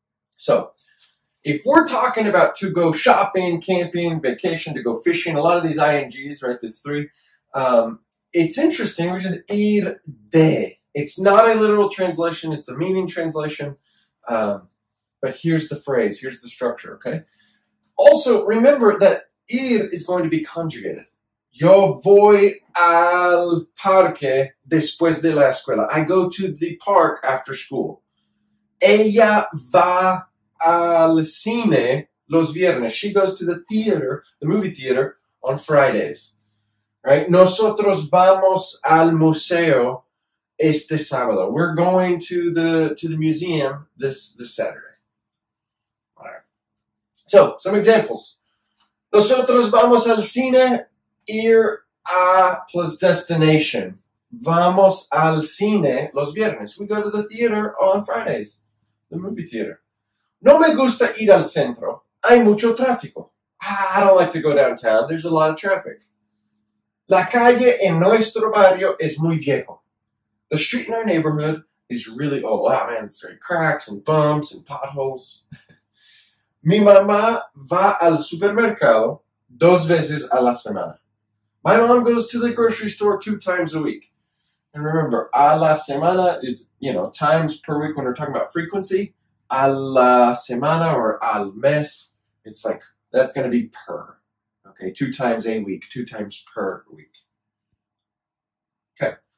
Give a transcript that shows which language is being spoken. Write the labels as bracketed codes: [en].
[en] So, if we're talking about to go shopping, camping, vacation, to go fishing, a lot of these ings, right? This three. It's interesting. We just ir de. It's not a literal translation. It's a meaning translation. But here's the phrase, here's the structure, okay? Also, remember that ir is going to be conjugated. [es] Yo voy al parque después de la escuela. [en] I go to the park after school. [es] Ella va al cine los viernes. [en] She goes to the theater, the movie theater, on Fridays. Right? [es] Nosotros vamos al museo este sábado. [en] We're going to the museum this Saturday. So, some examples. [es] Nosotros vamos al cine, ir a [en] plus destination. [es] Vamos al cine los viernes. [en] We go to the theater on Fridays, the movie theater. [es] No me gusta ir al centro. Hay mucho tráfico. [en] I don't like to go downtown. There's a lot of traffic. [es] La calle en nuestro barrio es muy viejo. [en] The street in our neighborhood is really old. Oh, man, there's cracks and bumps and potholes. [es] Mi mamá va al supermercado dos veces a la semana. [en] My mom goes to the grocery store 2 times a week. And remember, a la semana is, you know, times per week when we're talking about frequency. A la semana or al mes, it's like, that's going to be per. Okay, 2 times a week, 2 times per week. Okay.